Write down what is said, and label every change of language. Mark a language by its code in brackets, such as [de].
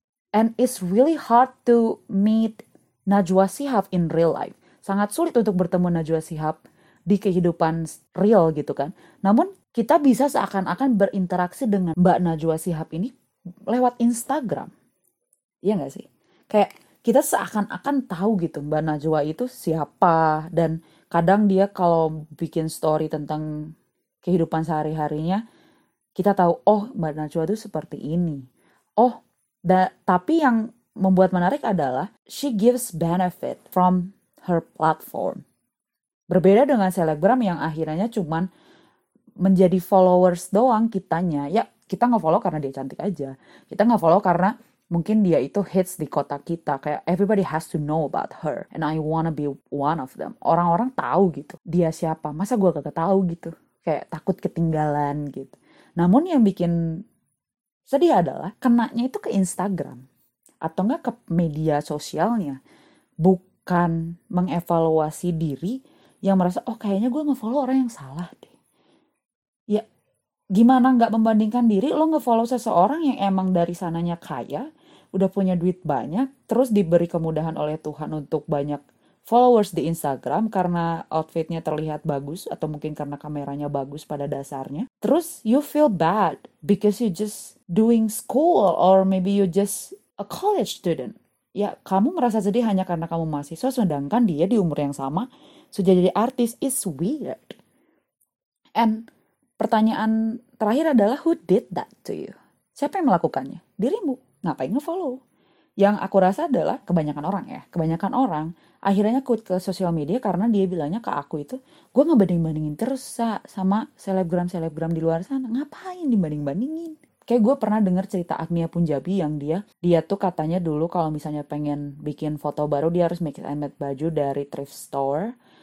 [en] And it's really hard to meet Najwa Shihab in real life. [id] Sangat sulit untuk bertemu Najwa Shihab di kehidupan real gitu kan. Namun kita bisa seakan-akan berinteraksi dengan Mbak Najwa Shihab ini lewat Instagram. Iya gak sih? Kayak kita seakan-akan tahu gitu Mbak Najwa itu siapa. Dan kadang dia kalau bikin story tentang kehidupan sehari-harinya, kita tahu, oh Mbak Najwa itu seperti ini. Oh, tapi yang membuat menarik adalah, [en] she gives benefit from her platform. [id] Berbeda dengan selebgram yang akhirnya cuman menjadi followers doang kitanya. Ya, kita nge-follow karena dia cantik aja. Kita nge-follow karena mungkin dia itu hits di kota kita, kayak [en] everybody has to know about her and I wanna be one of them. [id] Orang-orang tahu gitu dia siapa, masa gue gak tahu gitu, kayak takut ketinggalan gitu. Namun yang bikin sedih adalah kenanya itu ke Instagram atau enggak ke media sosialnya, bukan mengevaluasi diri yang merasa, oh kayaknya gue nge-follow orang yang salah deh. Ya gimana gak membandingkan diri, lo nge-follow seseorang yang emang dari sananya kaya, udah punya duit banyak, terus diberi kemudahan oleh Tuhan untuk banyak followers di Instagram karena outfitnya terlihat bagus atau mungkin karena kameranya bagus pada dasarnya. Terus [en] you feel bad because you just doing school or maybe you just a college student. [id] Ya, kamu merasa sedih hanya karena kamu mahasiswa, sedangkan dia di umur yang sama sudah jadi artis. [en] It's weird. And [id] pertanyaan terakhir adalah, [en] who did that to you? [id] Siapa yang melakukannya? Dirimu. Ngapain nge-follow? Yang aku rasa adalah kebanyakan orang ya. Kebanyakan orang akhirnya quit ke sosial media karena dia bilangnya ke aku itu, gue ngebanding-bandingin terus sama selebgram-selebgram di luar sana. Ngapain dibanding-bandingin? Kayak gue pernah dengar cerita Agnia Punjabi yang dia tuh katanya dulu kalau misalnya pengen bikin foto baru, dia harus [en] make it and match [id] baju dari thrift store.